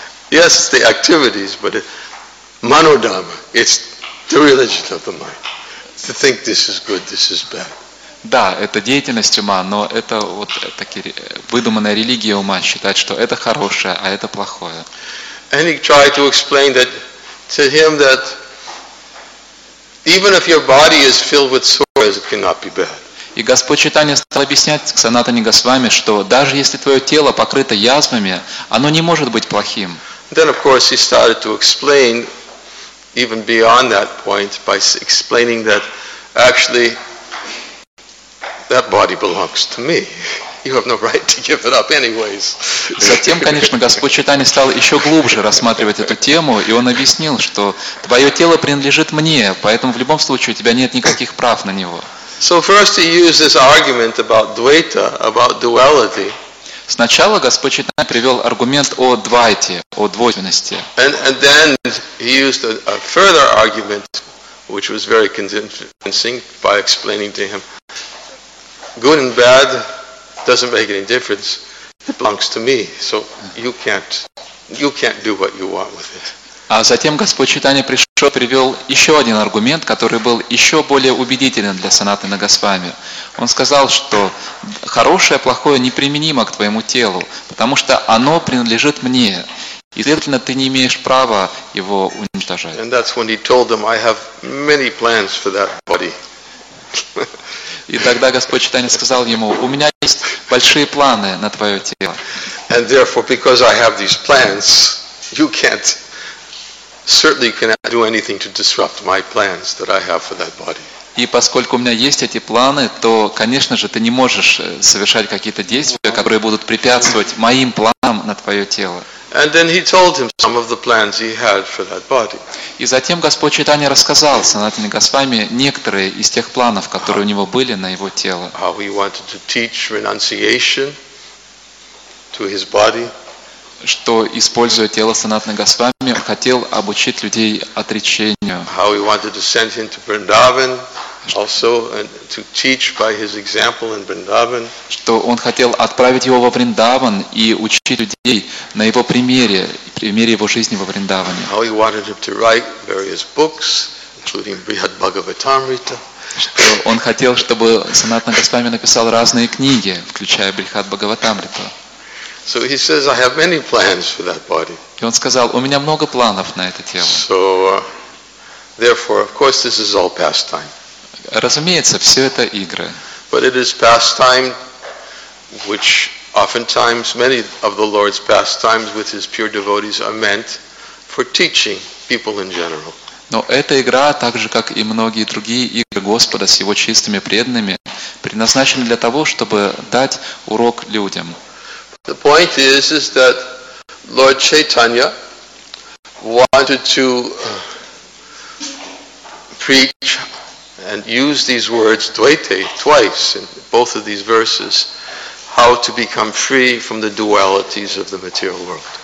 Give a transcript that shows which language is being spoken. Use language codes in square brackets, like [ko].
[en] Yes, it's the activities, but manodharma. It's the religion of the mind. To think this is good, this is bad. [ru] Да, это деятельность ума, но это вот такие выдуманная религия ума считать, что это хорошее, а это плохое. [en] And he tried to explain that to him that even if your body is filled with sores, it cannot be bad. [ru] И Господь Чайтанья стал объяснять к Санатане Госвами, что даже если твое тело покрыто язвами, оно не может быть плохим. [en] Then of course he started to explain even beyond that point by explaining that actually that body belongs to me. You have no right to give it up anyways. [ru] Затем, конечно, Господь Чайтанья стал еще глубже рассматривать эту тему, и он объяснил, что твое тело принадлежит мне, поэтому в любом случае у тебя нет никаких прав на него. [en] So first he used this argument about dvaita, about duality. [ru] Сначала Господь Чайтанья привел аргумент о двайте, о двойственности. [en] And then he used a further argument, which was very convincing, by explaining to him, good and bad doesn't make any difference. It belongs to me, so you can't do what you want with it. [ru] А затем Господь Чайтанья привел еще один аргумент, который был еще более убедителен для Санатана Госвами. Он сказал, что хорошее, плохое неприменимо к твоему телу, потому что оно принадлежит мне, и следовательно, ты не имеешь права его уничтожать. [en] And that's when he told them, I have many plans for that body. [ru] И тогда Господь Чайтанья сказал ему, у меня есть большие планы на твое тело. [en] And therefore, because I have these plans, you can't, certainly cannot do anything to disrupt my plans that I have for that body. [ru] И поскольку у меня есть эти планы, то, конечно же, ты не можешь совершать какие-то действия, которые будут препятствовать моим планам на твое тело. [en] And then he told him some of the plans he had for that body. [ru] И затем Господь Чайтанья рассказал Санатане Госвами некоторые из тех планов, которые у него были на его тело. [en] How he wanted to teach renunciation to his body. [ru] что, используя тело Санатана Госвами, хотел обучить людей отречению. [en] How he wanted to send him to Vrindavan also and to teach by his example in Vrindavan. [ru] Что он хотел отправить его во Вриндаван и учить людей на его примере, примере его жизни во Вриндаване. [en] How he wanted him to write various books, including Brihad Bhagavatamrita. [ru] Что он хотел, чтобы Санатана Госвами написал разные книги, включая Брихад Бхагаватамрита. [en] So he says, I have many plans for that body. [ru] И он сказал, у меня много планов на это тело. [en] So, therefore, of course, this is all pastime. [ru] Разумеется, все это игры. [en] But it is pastime, which oftentimes many of the Lord's pastimes with his pure devotees are meant for teaching people in general. [ru] Но эта игра, так же как и многие другие игры Господа с его чистыми преданными, предназначена для того, чтобы дать урок людям. [en] The point is that Lord Chaitanya wanted to preach and use these words dvaita twice in both of these verses, how to become free from the dualities of the material world.